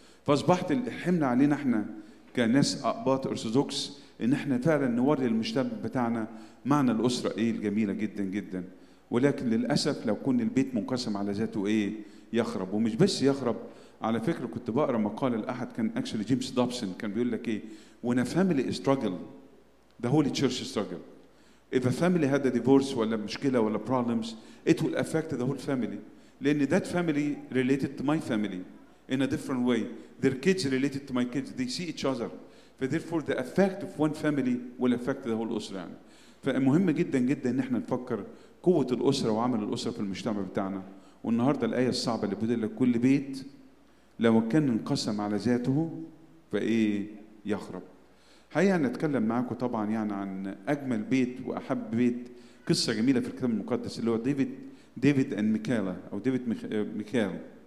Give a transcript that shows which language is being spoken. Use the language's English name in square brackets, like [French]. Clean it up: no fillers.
[Arabic] فأصبحت الحملة علينا إحنا كناس أقباط أرثوذكس إن إحنا فعلا نوري المجتمع بتاعنا معنى الأسرة إيه الجميلة جدا جدا. ولكن للأسف لو كون البيت منقسم على ذاته إيه يخرب. ومش بس يخرب على فكرة، كنت بقرأ مقال الأحد كان أكشلي جيمس دوبسون كان بيقول لك إيه [English] when a family struggle the holy church struggle. If a family had a divorce [Arabic] ولا مشكلة ولا [English] problems it will affect the whole family. لأن that family related to my family in a different way. Their kids related to my kids. They see each other. Therefore the effect of one family will affect the whole أسرة. يعني. [Arabic] فمهم جدا جدا إن احنا نفكر قوة الأسرة وعمل الأسرة في المجتمع بتاعنا. والنهاردة الآية الصعبة اللي بتقول لك كل بيت لو كان انقسم على ذاته فإيه يخرب. هيا نتكلم معاكم طبعا يعني عن أجمل بيت وأحب بيت، قصة جميلة في الكتاب المقدس اللي هو ديفيد أن ميكالا أو ديفيد ميكال.